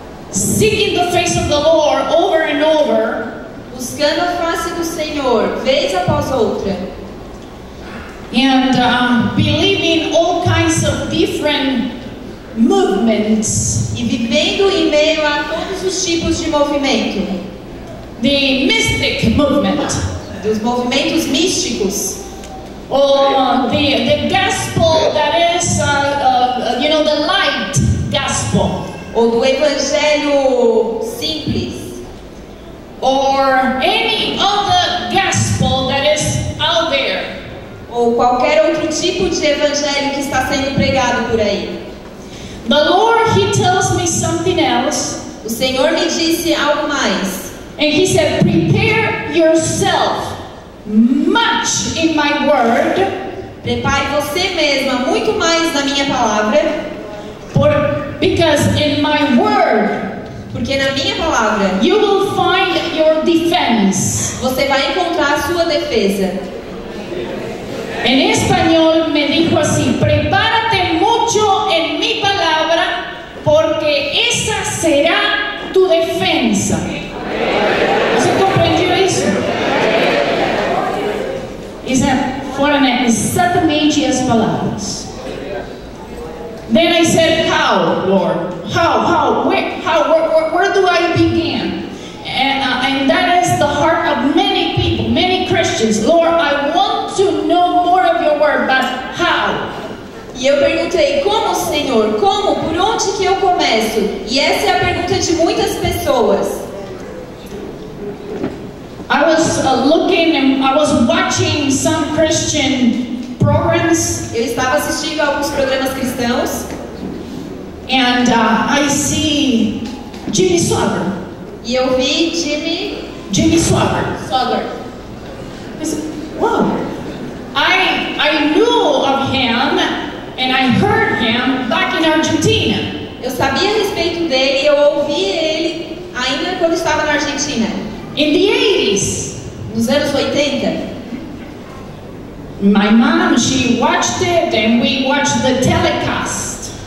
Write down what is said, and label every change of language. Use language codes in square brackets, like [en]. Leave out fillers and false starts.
[en] Seeking the face of the Lord over and over, [pt] buscando a face do Senhor vez após outra, [en] and believing all kinds of different movements, [pt] e vivendo em meio a todos os tipos de movimento, [en] the mystic movement, [pt] dos movimentos místicos, [en] or the gospel that is you know, the light gospel, [pt] ou do evangelho simples, [en] or any other gospel that is out there, [pt] ou qualquer outro tipo de evangelho que está sendo pregado por aí. [en] The Lord, he tells me something else. [pt] O Senhor me disse algo mais. [en] And he said, prepare yourself much in my word. [pt] Prepare você mesma muito mais na minha palavra. [en] Because in my word, [pt] Porque na minha palavra, [en] you will find your defense. [pt] Você vai encontrar a sua defesa. [es] En español me dijo así: prepárate mucho en mi palabra, porque esa será tu defensa. ¿Se comprendió eso? Esa fueron exactamente las palabras. [en] Then I said, how, Lord? How? Where do I begin? And that is the heart of many people, many Christians. Lord, I want to know more of your word, but how? [pt] E eu perguntei, como, Senhor? Como? Por onde que eu começo? E essa é a pergunta de muitas pessoas. [en] I was looking and I was watching some Christian programs. [pt] Eu estava assistindo alguns programas cristãos. [en] And I see Jimmy Swagger. [pt] E eu vi Jimmy Swagger. Swagger. [en] I said, wow. I knew of him and I heard him back in Argentina. [pt] Eu sabia a respeito dele e eu ouvi ele ainda quando estava na Argentina. [en] In the 80s. [pt] Nos anos 80. [en] My mom, she watched it and we watched the telecast.